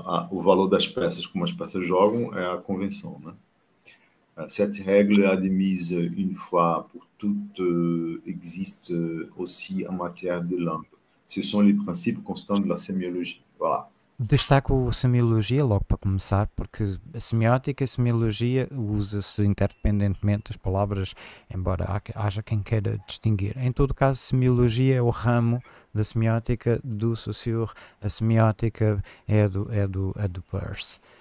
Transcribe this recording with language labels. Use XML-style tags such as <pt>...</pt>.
<pt>O valor das peças, como as peças jogam, é a convenção, né?</pt> <fr>Cette règle admise une fois pour toutes existe aussi en matière de langue. Ce sont les principes constants de la sémiologie. Voilà.</fr> <pt>Destaco a semiologia logo para começar, porque a semiótica e a semiologia usa-se interdependentemente as palavras, embora haja quem queira distinguir. Em todo caso, semiologia é o ramo da semiótica do Saussure, a semiótica é do Peirce.</pt>